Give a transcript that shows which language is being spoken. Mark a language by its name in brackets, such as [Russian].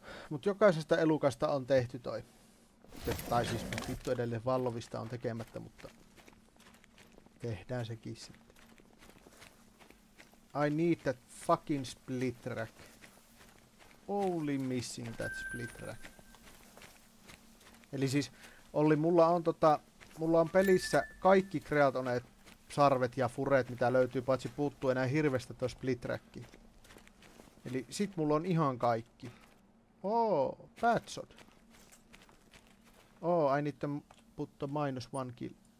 [Finnish] Mut jokaisesta elukasta on tehty toi. Tai siis vittu edelleen Vallovista on tekemättä, mutta tehdään sekin sitten. [English] I need that fucking split rack. Only missing that split rack. [Finnish] Eli siis Olli, mulla on pelissä kaikki kreatoneet, sarvet ja fureet, mitä löytyy, paitsi puuttuu enää hirvestä toi split rackki. Eli sit mulla on ihan kaikki. [English] Oh, Batshot. Oh, I need to put the minus one kill.